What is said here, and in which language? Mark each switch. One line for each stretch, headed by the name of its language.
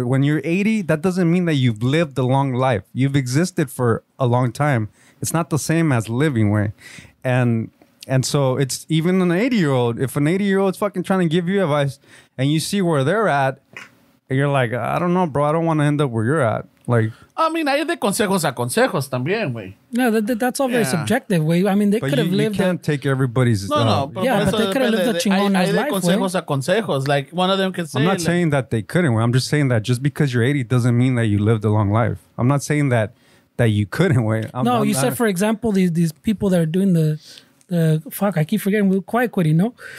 English: When you're 80, that doesn't mean that you've lived a long life. You've existed for a long time. It's not the same as living, Way. And so it's even an 80-year-old. If an 80-year-old is fucking trying to give you advice and you see where they're at, you're like, I don't know, bro. I don't want to end up where you're at. Like, I mean,
Spanish: hay de consejos a consejos también, güey.
English: No, that's all very subjective, güey. I mean, they could have lived. You can't take everybody's. No, but yeah, but they could have lived a chingón life.
Spanish: Hay de consejos a consejos.
English: Like, one of them can say. I'm not saying that they couldn't, güey. I'm just saying that just because you're 80 doesn't mean that you lived a long life. I'm not saying that you couldn't, güey. No, you said, for example, these people that are doing the fuck, I keep forgetting. We're quiet quitting, no?